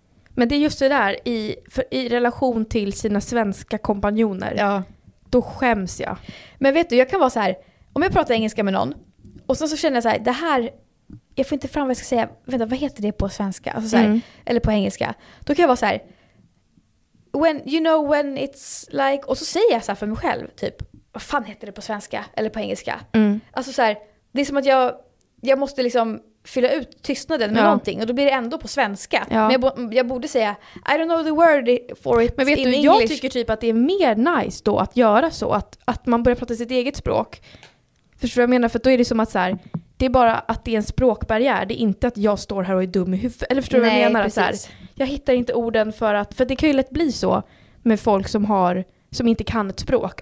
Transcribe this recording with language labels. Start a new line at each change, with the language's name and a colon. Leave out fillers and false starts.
Swedish: Men det är just det där, i relation till sina svenska kompanjoner. Ja. Då skäms jag. Men vet du, jag kan vara så här. Om jag pratar engelska med någon. Och sen så känner jag så här. Det här, jag får inte fram vad jag ska säga. Vänta, vad heter det på svenska? Alltså så här, eller på engelska. Då kan jag vara så här.
English: When, you know when it's like.
Swedish: Och så säger jag så här för mig själv. Typ, vad fan heter det på svenska? Eller på engelska? Mm. Alltså så här. Det är som att jag måste liksom fylla ut tystnaden med någonting. Och då blir det ändå på svenska. Ja. Men jag borde säga,
English: I don't know the word for it.
Swedish: Men vet
English: in
Swedish: du,
English: English.
Swedish: Jag tycker typ att det är mer nice då att göra så. Att man börjar prata sitt eget språk. Förstår du vad jag menar? För då är det som att så här, det är bara att det är en språkbarriär. Det är inte att jag står här och är dum i huvudet. Eller förstår du vad jag menar? Så här, jag hittar inte orden för att, för det kan ju lätt bli så med folk som inte kan ett språk.